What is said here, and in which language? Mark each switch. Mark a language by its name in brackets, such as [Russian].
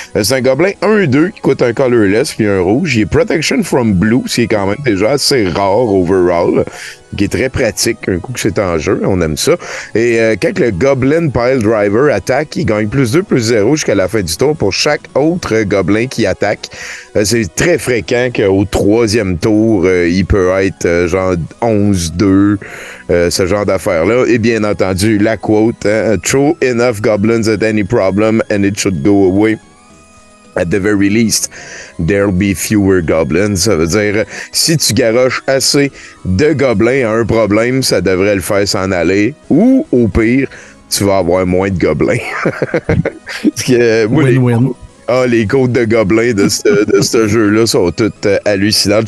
[French] C'est un gobelin 1-2 qui coûte un colorless puis un rouge. Il est Protection from Blue, ce qui est quand même déjà assez rare overall, qui est très pratique un coup que c'est en jeu, on aime ça. Et quand le Goblin Pile Driver attaque, il gagne +2/+0 jusqu'à la fin du tour pour chaque autre gobelin qui attaque. C'est très fréquent qu'au troisième tour, il peut être genre 11-2, ce genre d'affaire-là. Et bien entendu, la quote, hein, [English] « Throw enough goblins at any problem and it should go away. » At the very least, there'll be fewer goblins. [French] Ça veut dire, si tu garoches assez de gobelins à un problème, ça devrait le faire s'en aller. Ou, au pire, tu vas avoir moins de gobelins. Win-win. Ah, les côtes de gobelins de ce jeu-là sont toutes hallucinantes.